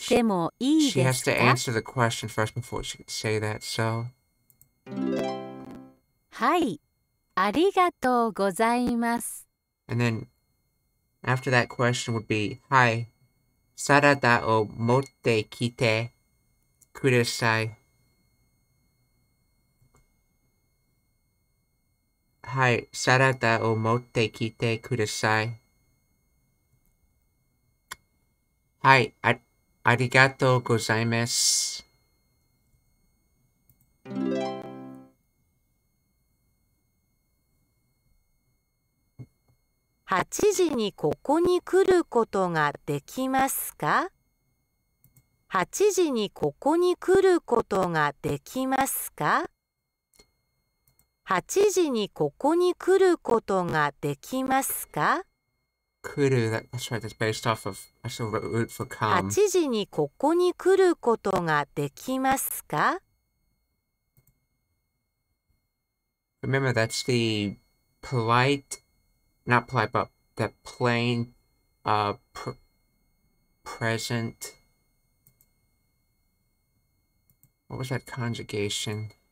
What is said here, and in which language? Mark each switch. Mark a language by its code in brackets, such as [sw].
[en] She has to answer the question first before she could say that, so... [ja] はい、ありがとうございます。 [en] And then, after that question would be, [ja] はい、サラダを持ってきてください。はい、サラダを持ってきてください。はい、ありがとうございます。 8時にここに来ることができますか? 8時にここに来ることができますか? 8時にここに来ることができますか? [en] 来る、that's right, that's based off of, I still root for come. [ja] 8時にここに来ることができますか? [en] Remember, that's the polite, not polite, but the plain, present. What was that conjugation?